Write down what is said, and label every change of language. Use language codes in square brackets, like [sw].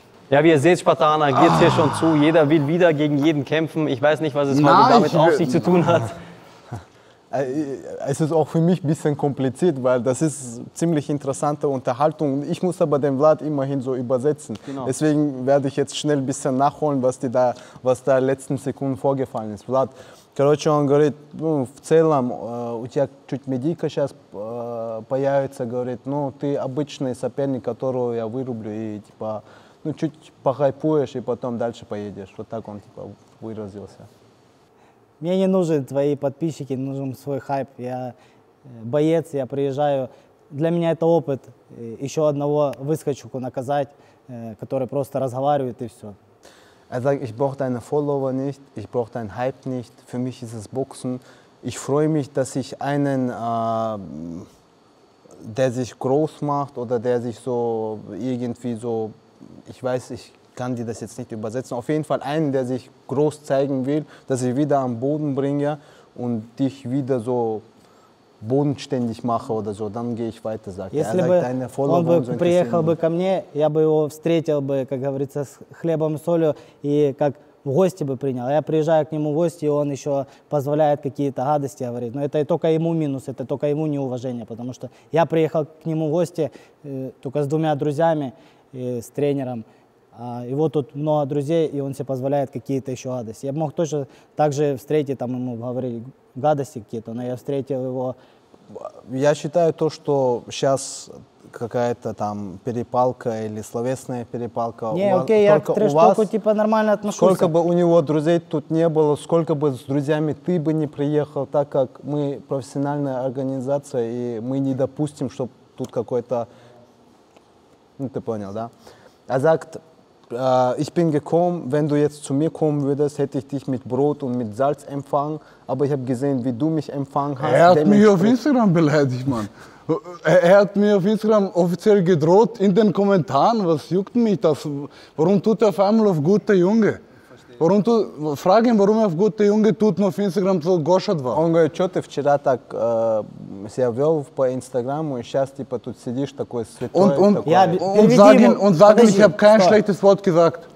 [de] Ja, wie ihr seht, Spartaner, geht es hier schon zu. Jeder will wieder gegen jeden kämpfen. Ich weiß nicht, was es heute damit auf sich zu tun hat. Es ist auch für mich ein bisschen kompliziert, weil das ist ziemlich interessante Unterhaltung. Ich muss aber den Vlad immerhin so übersetzen. Genau. Deswegen werde ich jetzt schnell ein bisschen nachholen, was da in den letzten Sekunden vorgefallen ist. [ru] Vlad, короче, он говорит, ну, в целом, у тебя чуть медика сейчас появится, говорит, ну, ты обычный соперник, которого я вырублю, и, типа, ну, чуть похайпуешь, и потом дальше поедешь. Вот так он, типа, выразился. Мне не нужны твои подписчики, нужен свой хайп. Я боец, я приезжаю. Для меня это опыт еще одного выскочку наказать, который просто разговаривает, и все. [de] Er sagt, ich brauche deine Follower nicht, ich brauche deinen Hype nicht, für mich ist es Boxen. Ich freue mich, dass ich einen, der sich groß macht oder der sich so irgendwie so, ich weiß, ich kann dir das jetzt nicht übersetzen, auf jeden Fall einen, der sich groß zeigen will, dass ich wieder am Boden bringe und dich wieder so bodenständig mache oder so, dann gehe ich weiter, sagt er. [ru] Если бы он приехал бы ко мне, я бы его встретил бы, как говорится, с хлебом и солью и как в гости бы принял. Я приезжаю к нему в гости, и он еще позволяет какие-то гадости говорить. Но это только ему минус, это только ему неуважение, потому что я приехал к нему в гости только с двумя друзьями, с тренером. И вот тут много друзей, и он себе позволяет какие-то еще гадости. Я бы мог точно так же встретить, там ему говорили гадости какие-то, но я встретил его. Я считаю то, что сейчас какая-то там перепалка или словесная перепалка. Не, окей, я к трэш-толку типа нормально отношусь. Сколько бы у него друзей тут не было, сколько бы с друзьями ты бы не приехал, так как мы профессиональная организация, и мы не допустим, чтобы тут какой-то... Ну, ты понял, да? [de] Er sagt, ich bin gekommen, wenn du jetzt zu mir kommen würdest, hätte ich dich mit Brot und mit Salz empfangen. Aber ich habe gesehen, wie du mich empfangen hast. Er hat mich auf Instagram beleidigt, Mann. Er hat mich auf Instagram offiziell gedroht in den Kommentaren. Was juckt mich das? Warum tut er auf einmal auf gute Junge? Warum tut, frag ihn, warum er auf gute Junge tut, nur auf Instagram so goschert war. [ru] Он говорит, что ты вчера так себя вел по Инстаграму, и сейчас типа тут сидишь такой святой. Он, [de] ich habe kein schlechtes Wort gesagt.